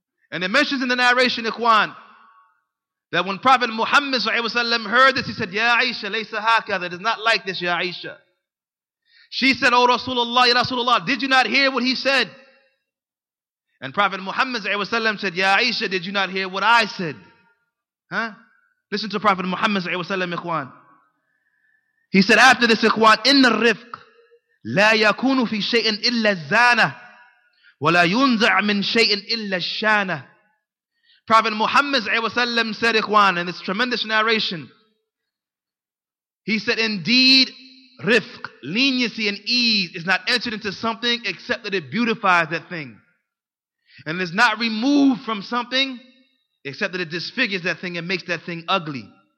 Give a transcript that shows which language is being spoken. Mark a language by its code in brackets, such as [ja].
[en] And it mentions in the narration, Ikhwan, that when Prophet Muhammad sallallahu alayhi wa sallam heard this, he said, ya Aisha, [ar] laysa hakadha, [en] it is not like this, ya Aisha. She said, O Rasulullah, Ya Rasulullah, did you not hear what he said? And Prophet Muhammad ﷺ said, Ya Aisha, did you not hear what I said? Huh? Listen to Prophet Muhammad ﷺ, Ikhwan. He said after this, Ikhwan, [ar] إِنَّ الرِّفْقِ لَا يَكُونُ فِي شَيْءٍ إِلَّا الزَّانَةِ وَلَا يُنْزَعْ مِنْ شَيْءٍ إِلَّا الشَّانَةِ. [en] Prophet Muhammad ﷺ said, Ikhwan, in this tremendous narration, he said, indeed, rifq, leniency and ease, is not entered into something except that it beautifies that thing. And it's not removed from something except that it disfigures that thing and makes that thing ugly.